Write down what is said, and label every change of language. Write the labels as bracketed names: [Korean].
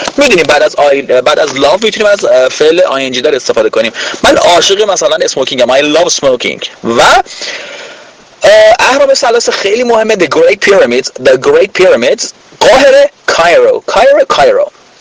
[Persian] میدونیم بعد از love میتونیم از فعل ing دار استفاده کنیم. من عاشق مثلا smoking، [English] I love smoking. [Persian] و اهرام ثلاثه خیلی مهمه، [English] the great pyramids، [Persian] قاهره، کایرو.